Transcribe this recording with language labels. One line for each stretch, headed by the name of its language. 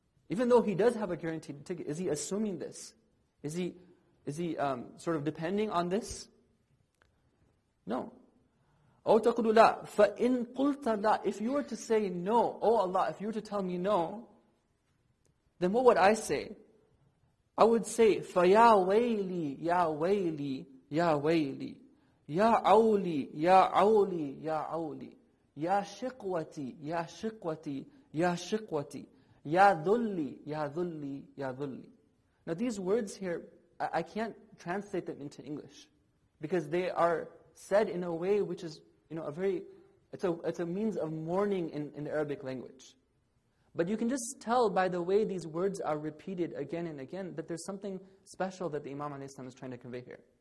English: Even though he does have a guaranteed ticket, is he assuming this? Is he sort of depending on this? No.
Arabic: أو تقولوا لا. فإن قلت لا.
English: If you were to say no, oh Allah, if you were to tell me no, then what would I say? I would say,
Arabic: فَيَا وَيْلِي يَا وَيْلِي يَا وَيْلِي يَا عَوْلِي يَا عَوْلِي يَا عَوْلِي يَا شِقْوَتِي يَا شِقْوَتِي يَا شِقْوَتِي يَا ذُلِّي يَا ذُلِّي يَا ذُلِّي.
English: Now these words here, I can't translate them into English because they are said in a way which is, you know, it's a means of mourning in the Arabic language. But you can just tell by the way these words are repeated again and again that there's something special that the Imam alayhi salam is trying to convey here.